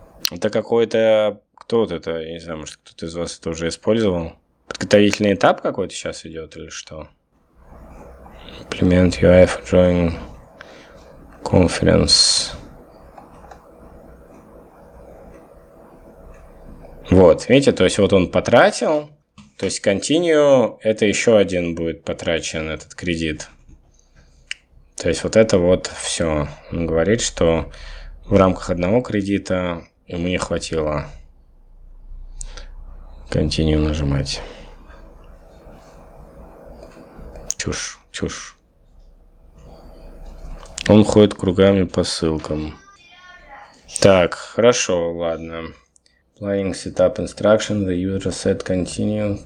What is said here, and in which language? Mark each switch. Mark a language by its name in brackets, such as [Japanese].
[Russian] Это какой-то... Кто вот это, я не знаю, может, кто-то из вас это уже использовал? Подготовительный этап какой-то сейчас идет или что? [English] Implement UI for drawing conference. [Russian] Вот, видите, то есть вот он потратил, то есть continue, это еще один будет потрачен, этот кредит. То есть вот это вот все. Он говорит, что в рамках одного кредита ему не хватило. Continue нажимать. Чушь, чушь. Он ходит кругами по ссылкам. Так, хорошо, ладно. [English] Planning setup instruction, the user set continue.